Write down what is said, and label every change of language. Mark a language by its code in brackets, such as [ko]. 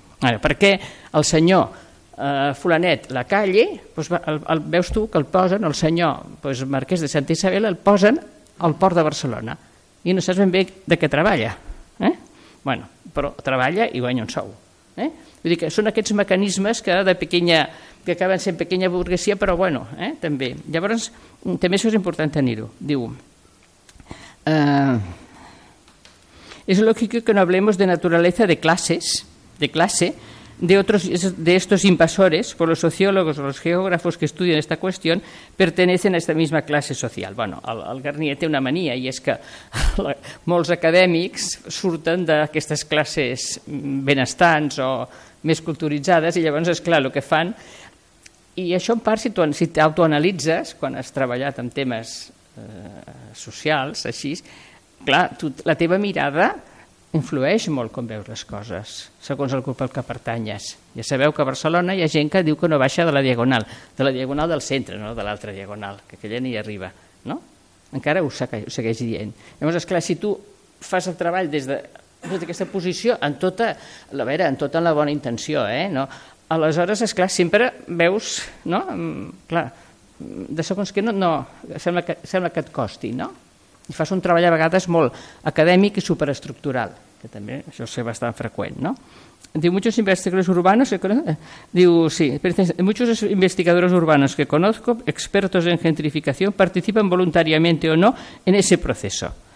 [ca] Ara, perquè el senyor fulanet [es] la calle, [ca] doncs el veus tu que el posen, el senyor doncs marquès de Santa Isabel, el posen al port de Barcelona i no saps ben bé de què treballa. Bueno, però treballa i guanya un sou. Vull dir que són aquests mecanismes que acaben sent pequeña burguesia, però bueno, també. Llavors, també això és important tenir-ho. Diu, és lògic que [es] no hablemos de naturaleza de clases, de classe, de estos invasores, por los sociólogos o los geógrafos que estudian esta cuestión, pertenecen a esta misma clase social. [ca] Bueno, el Garnier té una mania i és que molts acadèmics surten d'aquestes classes benestants o més culturitzades i llavors, és clar, el que fan... I això en part, si t'autoanalitzes, quan has treballat en temes socials, així, clar, tu, la teva mirada... influeix molt com veus les coses, segons el grup al que pertanyes. Ja sabeu que a Barcelona hi ha gent que diu que no baixa de la Diagonal, de la Diagonal del centre, no de l'altra Diagonal, que aquella ni hi arriba, no? Encara ho segueix dient. Llavors, esclar, si tu fas el treball des d'aquesta posició, en tota la bona intenció, no? aleshores, és clar, sempre veus, no? Clar, de segons que no sembla que et costi, no? I fas un treball a vegades molt acadèmic i superestructural, que també això és bastant freqüent, no? [es] Diu, muchos investigadores urbanos, diu, sí, muchos investigadores urbanos que conozco, expertos en gentrificación, participan voluntariamente o no en ese proceso.